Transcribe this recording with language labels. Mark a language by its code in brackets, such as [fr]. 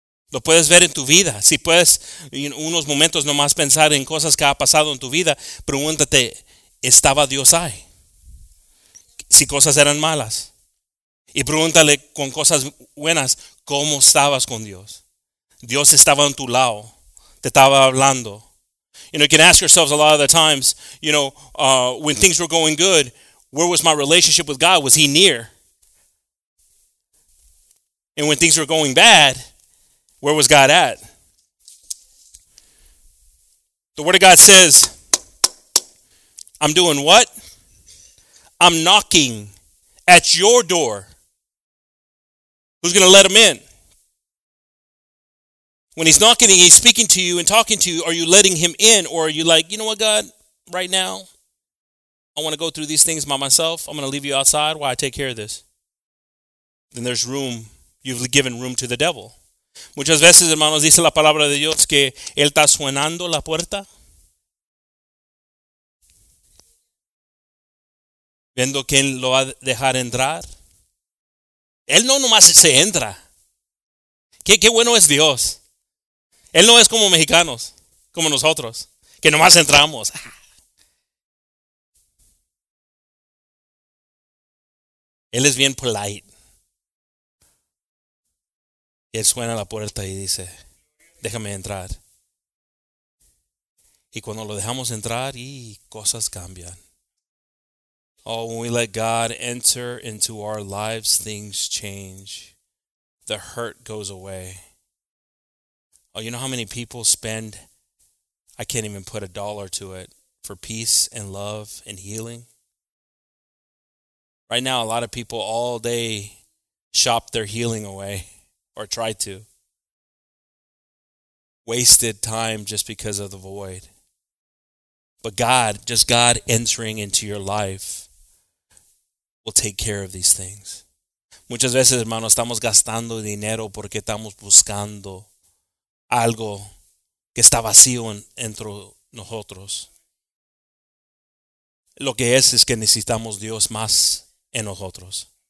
[es] Lo puedes ver en tu vida. Si puedes en unos momentos nomás pensar en cosas que ha pasado en tu vida, pregúntate, ¿estaba Dios ahí? Si cosas eran malas. Y pregúntale con cosas buenas, ¿cómo estabas con Dios? Dios estaba en tu lado. Te estaba hablando. [en] You know, you can ask yourselves a lot of the times, you know, when things were going good, where was my relationship with God? Was he near? And when things were going bad, where was God at? The Word of God says, I'm doing what? I'm knocking at your door. Who's going to let him in? When he's knocking and he's speaking to you and talking to you, are you letting him in? Or are you like, you know what, God, right now, I want to go through these things by myself. I'm going to leave you outside while I take care of this. Then there's room. You've given room to the devil. [es] Muchas veces, hermanos, dice la palabra de Dios que él está suenando la puerta. Viendo quién lo va a dejar entrar. Él no nomás se entra. Qué bueno es Dios. Él no es como mexicanos, como nosotros, que nomás entramos. Él es bien polite. Y él suena a la puerta y dice, déjame entrar. Y cuando lo dejamos entrar, y cosas cambian. [en] Oh, when we let God enter into our lives, things change. The hurt goes away. Oh, you know how many people spend, I can't even put a dollar to it, for peace and love and healing? Right now, a lot of people all day shop their healing away. Or try to. Wasted time just because of the void. But God, just God entering into your life will take care of these things. [es] Muchas veces, hermanos, estamos gastando dinero porque estamos buscando algo que está vacío entre nosotros. Lo que es que necesitamos Dios más en nosotros.